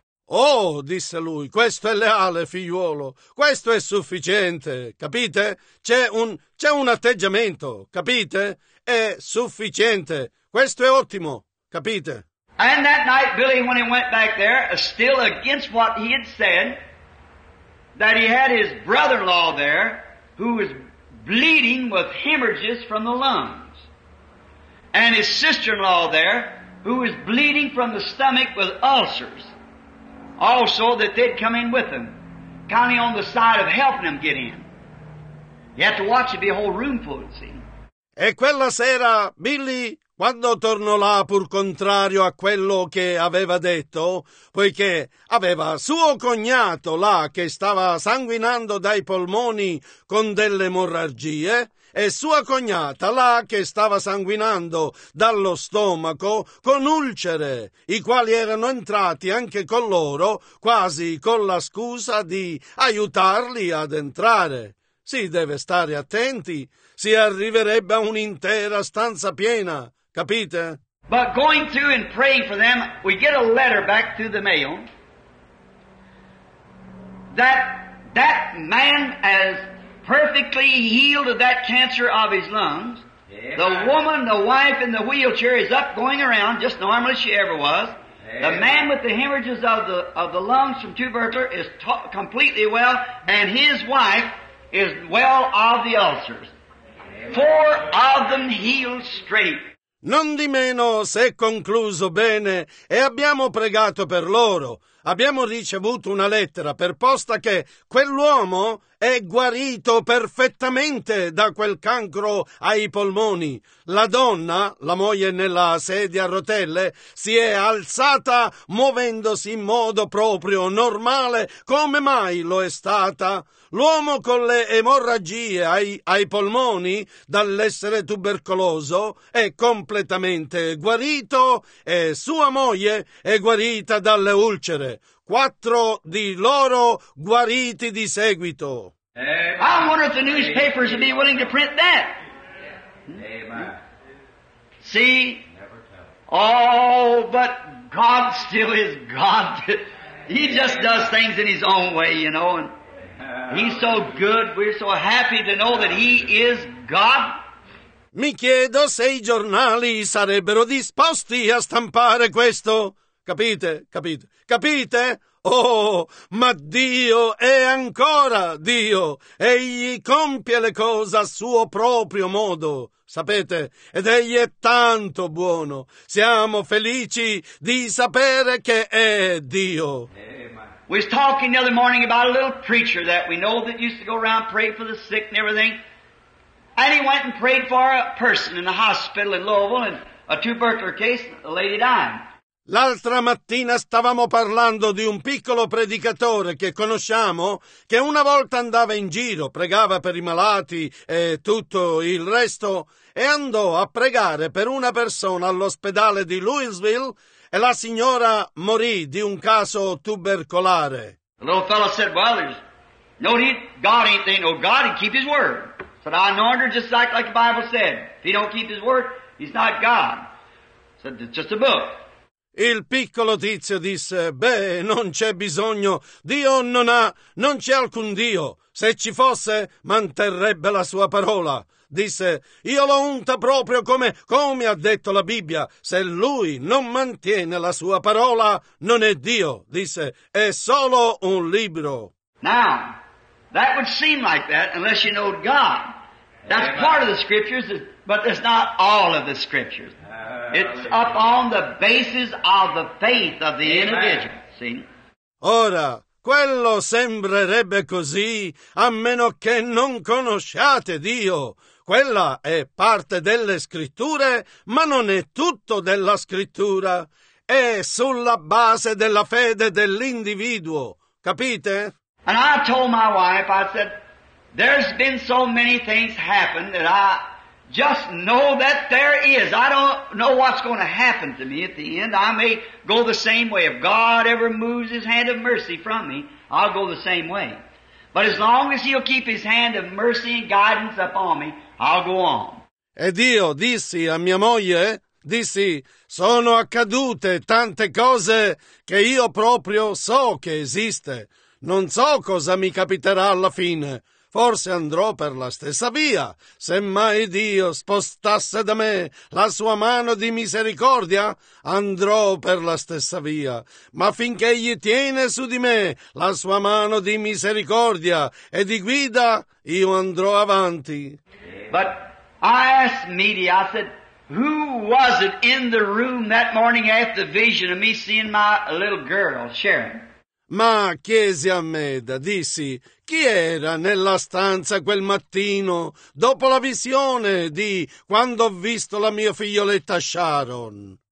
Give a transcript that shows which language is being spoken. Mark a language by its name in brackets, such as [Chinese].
[Italian] Oh, disse lui, questo è leale, figliuolo, questo è sufficiente, capite? C'è un atteggiamento, capite? È sufficiente, questo è ottimo, capite? [English] And that night Billy, when he went back there, still against what he had said, that he had his brother-in-law there, who was bleeding with hemorrhages from the lungs, and his sister-in-law there, who was bleeding from the stomach with ulcers. Also, that they'd come in with him, kind of on the side of helping him get in. You have to watch it, be a whole room full, you see. [Italian] E quella sera, Billy, quando tornò là, pur contrario a quello che aveva detto, poiché aveva suo cognato là che stava sanguinando dai polmoni con delle emorragie, e sua cognata là che stava sanguinando dallo stomaco con ulcere, i quali erano entrati anche con loro quasi con la scusa di aiutarli ad entrare. Si deve stare attenti, si arriverebbe a un'intera stanza piena, capite? [English] But going through and praying for them, we get a letter back through the mail that man has perfectly healed of that cancer of his lungs. Amen. The woman, the wife in the wheelchair is up going around just normal as she ever was. Amen. The man with the hemorrhages of the lungs from tubercular is completely well, and his wife is well of the ulcers. Amen. Four of them healed straight. [Italian] Non di meno, se concluso bene, e abbiamo pregato per loro. Abbiamo ricevuto una lettera per posta che quell'uomo è guarito perfettamente da quel cancro ai polmoni. La donna, la moglie nella sedia a rotelle, si è alzata muovendosi in modo proprio normale, come mai lo è stata. L'uomo con le emorragie ai polmoni dall'essere tubercoloso è completamente guarito e sua moglie è guarita dalle ulcere. Quattro di loro guariti di seguito. [English] I wonder if the newspapers would be willing to print that. Amen. See? Oh, but God still is God. He just does things in His own way, you know. And He's so good. We're so happy to know that He is God. [Italian] Mi chiedo se i giornali sarebbero disposti a stampare questo. Capite? Capite? Capite? Oh, ma Dio è ancora Dio. Egli compie le cose a suo proprio modo, sapete? Ed Egli è tanto buono. Siamo felici di sapere che è Dio. [English] Amen. We was talking the other morning about a little preacher that we know that used to go around and pray for the sick and everything. And he went and prayed for a person in the hospital in Louisville in a tubercular case, a lady died. [Italian] L'altra mattina stavamo parlando di un piccolo predicatore che conosciamo, che una volta andava in giro, pregava per i malati e tutto il resto, e andò a pregare per una persona all'ospedale di Louisville, e la signora morì di un caso tubercolare. [English] The little fellow said, well, there's no need, God ain't they know God, he keep his word. Said, I know her just like the Bible said. If he don't keep his word, he's not God. Said, it's just a book. [Italian] Il piccolo tizio disse, beh, non c'è bisogno, Dio non ha, non c'è alcun Dio. Se ci fosse, manterrebbe la sua parola. Disse, io l'ho unta proprio come ha detto la Bibbia. Se lui non mantiene la sua parola, non è Dio. Disse, è solo un libro. [English] Now, that would seem like that unless you know God. That's part of the scriptures, but it's not all of the scriptures. It's up on the basis of the faith of the individual. See? [Italian] Ora, quello sembrerebbe così, a meno che non conosciate Dio. Quella è parte delle scritture, ma non è tutto della scrittura. È sulla base della fede dell'individuo. Capite? [English] And I told my wife, I said, there's been so many things happen that I just know that there is. I don't know what's going to happen to me at the end. I may go the same way. If God ever moves his hand of mercy from me, I'll go the same way. But as long as he'll keep his hand of mercy and guidance upon me, I'll go on. [Italian] Ed io dissi a mia moglie, dissi, sono accadute tante cose che io proprio so che esiste. Non so cosa mi capiterà alla fine. Forse andrò per la stessa via. Se mai Dio spostasse da me la sua mano di misericordia, andrò per la stessa via. Ma finché egli tiene su di me la sua mano di misericordia e di guida, io andrò avanti. [English] But I asked Meade, I said, who was it in the room that morning after the vision of me seeing my little girl, Sharon? [Italian] Ma chiesi a Meda, dissi, chi era nella stanza quel mattino, dopo la visione di quando ho visto la mia figlioletta Sharon?